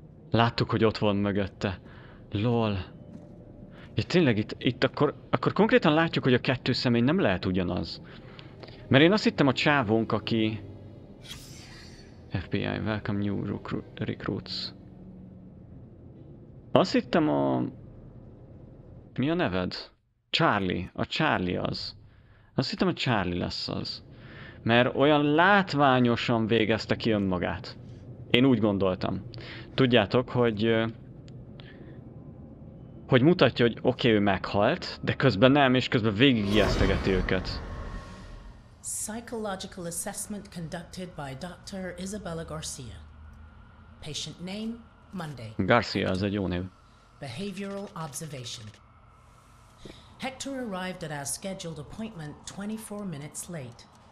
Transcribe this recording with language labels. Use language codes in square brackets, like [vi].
[hu] Láttuk, hogy ott van mögötte. Lol. Ja, tényleg itt akkor konkrétan látjuk, hogy a kettő személy nem lehet ugyanaz. Mert én azt hittem a csávónk, aki... [en] FBI, welcome new recruits. [hu] Azt hittem a... Mi a neved? Charlie. A Charlie az. Azt hittem a Charlie lesz az. Mert olyan látványosan végezte ki önmagát. Én úgy gondoltam. Tudjátok, hogy mutatja, hogy oké, ő meghalt, de közben nem, és közben végig ijesztegeti őket. [en] Psychological assessment conducted by Dr. Isabella Garcia. Patient name, Monday. [hu] Garcia, az egy jó név. [en] Behavioral observation. Hector arrived at our scheduled appointment 24 minutes late.